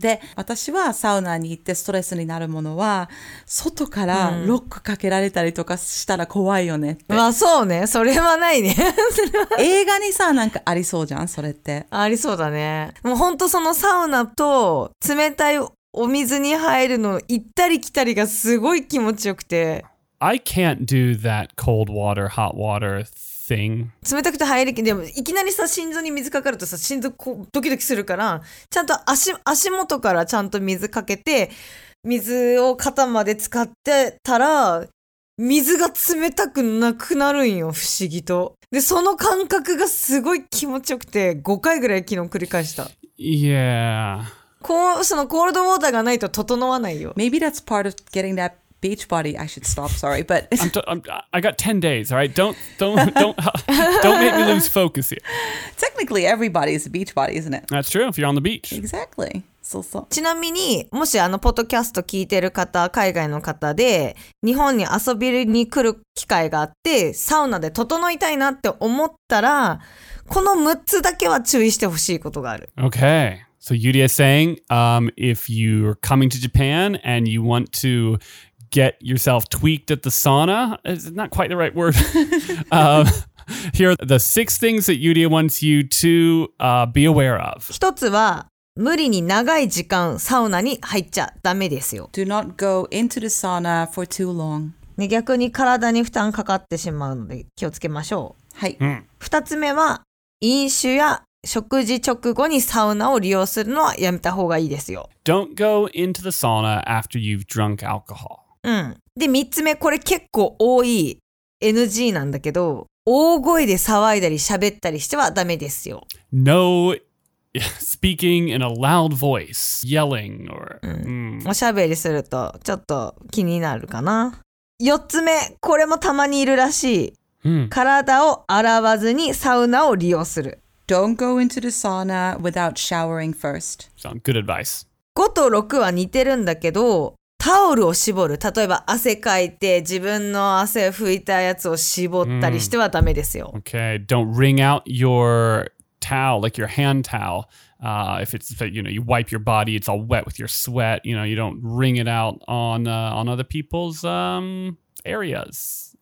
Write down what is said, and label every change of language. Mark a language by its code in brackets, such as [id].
[ja] で、私はサウナに行ってストレスになるものは、外からロックかけられたりとかしたら怖いよねって。まあそうね。それはないね。映画にさ、なんかありそうじゃん、それって。ありそうだね。もう本当そのサウナと冷たいお水に入るの行ったり来たりがすごい気持ちよくて。 [en] I can't do that cold water, hot water thing. [ja] 冷たくて入りきでもいきなりさ心臓に水かかるとさ心臓こうドキドキするからちゃんと足元からちゃんと水かけて水を肩まで使ってたら水が冷たくなくなるんよ不思議とでその感覚がすごい気持ちよくて5回ぐらい昨日繰り返した [en] Yeah [ja] こうそのコールドウォーターがないと整わないよ [en] Maybe that's part of getting that beach body. I should stop. Sorry, but I got 10 days. All right, don't make me lose focus here. Technically, everybody is a beach body, isn't it? That's true. If you're on the beach, exactly. [ja] そうそう。ちなみにもしあのポッドキャスト聞いてる方、海外の方で日本に遊びに来る機会があってサウナで整いたいなって思ったら、この6つだけは注意してほしいことがある。 [en] Okay, so Yuri is saying, if you're coming to Japan and you want to get yourself tweaked at the sauna, it's not quite the right word. here are the 6 things that Yuri wants you to be aware of. [ja] 一つは無理に長い時間サウナに入っちゃダメですよ。 [en] Do not go into the sauna for too long. [ja] 逆に体に負担かかってしまうので気をつけましょう。はい。二つ目は飲酒や食事直後にサウナを利用するのはやめた方がいいですよ。 [en] Don't go into the sauna after you've drunk alcohol. [ja] で三つ目、これ結構多い NG なんだけど、大声で騒いだり喋ったりしてはダメですよ。 [en] NoSpeaking in a loud voice, yelling, or... [ja] おしゃべりするとちょっと気になるかな。四つ目、これもたまにいるらしい。体を洗わずにサウナを利用する。 [en] Don't go into the sauna without showering first. Sound good advice. [ja] 五と六は似てるんだけど、タオルを絞る。例えば汗かいて自分の汗を拭いたやつを絞ったりしてはダメですよ。 [en] Okay, don't wring out your... towel, like your hand towel, if it's, you know, you wipe your body, it's all wet with your sweat, you know, you don't wring it out on other people's areas.